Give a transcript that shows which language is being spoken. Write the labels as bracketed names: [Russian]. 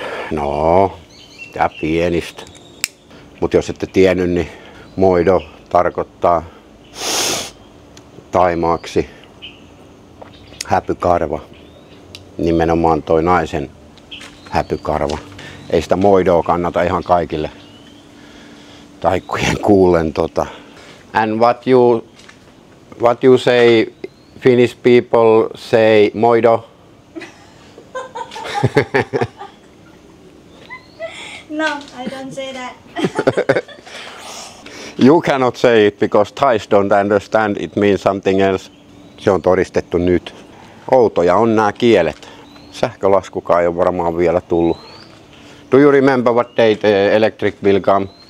[Finnish] No, tää pienistä. Mut jos ette tiennyt, niin moido tarkoittaa taimaaksi häpykarva. Nimenomaan toi naisen häpykarva. Ei sitä moidoa kannata ihan kaikille taikkujen kuullen. [English] And what you say, Finnish people say moido? No, I don't say that. You cannot say it because Thais don't understand it means something else. [Finnish] Se on todistettu nyt. Outoja on nämä kielet. Sähkölaskukaan ei ole varmaan vielä tullut. [English] Do you remember what date electric bill come?